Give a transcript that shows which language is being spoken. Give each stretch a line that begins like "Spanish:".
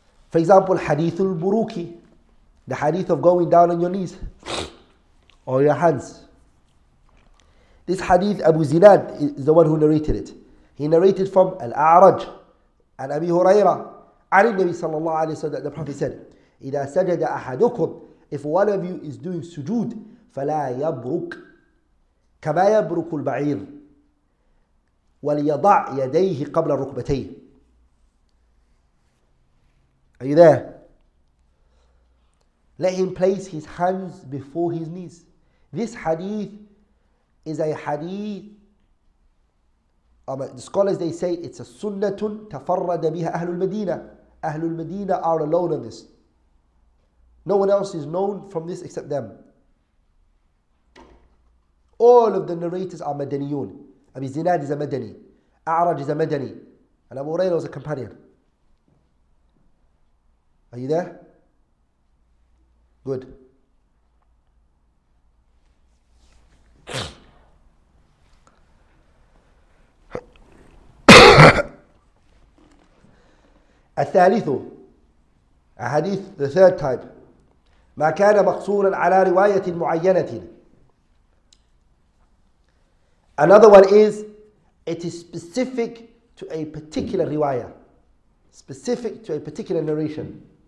English: For example, Hadith al-Buruki. The hadith of going down on your knees. Or your hands. This hadith, Abu Zinad is the one who narrated it. He narrated from Al-A'raj and Abi Huraira.
Arabic: عن النبي صلى الله عليه وسلم,
English: the Prophet said,
Arabic: إِذَا سَجَدَ أَحَدُكُمْ,
English: if one of you is doing sujood,
Arabic: فَلَا يَبْرُكْ كَمَا يَبْرُكُ الْبَعِيرُ وَلْيَضَعْ يَدَيْهِ قَبْلَ الرُّكْبَتَيْهِ.
English: Are you there? Let him place his hands before his knees. This hadith is a hadith. The scholars, they say, it's a sunnatun tafarrada biha ahlul madina. Ahlul madina are alone on this. No one else is known from this except them. All of the narrators are madaniyun. Abi Zinad is a madani. A'raj is a madani. And Abu Hurairah was a companion. Are you there? Good.
Arabic: الثالث الحديث,
English: the third type,
Arabic: ما كان مقصورا على رواية معينة.
English: Another one is, it is specific to a particular riwayah, specific to a particular narration.